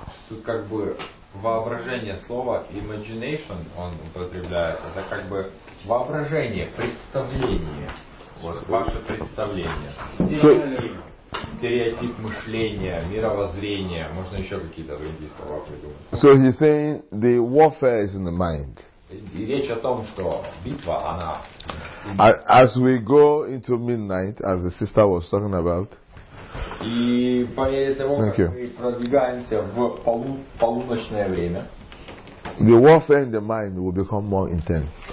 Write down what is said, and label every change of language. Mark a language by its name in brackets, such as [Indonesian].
[Russian] Тут как бы воображение, слово imagination он употребляет, это как бы воображение, представление, вот ваше представление, стереотип мышления, мировоззрение, можно еще какие-то другие слова придумать. [English] So he's saying the warfare is in the mind. [Russian] И речь о том, что битва, она... [English] As we go into midnight, as the sister was talking about, [Russian] и по мере того, как мы продвигаемся в полуночное время, [English] the warfare in the mind will become more intense.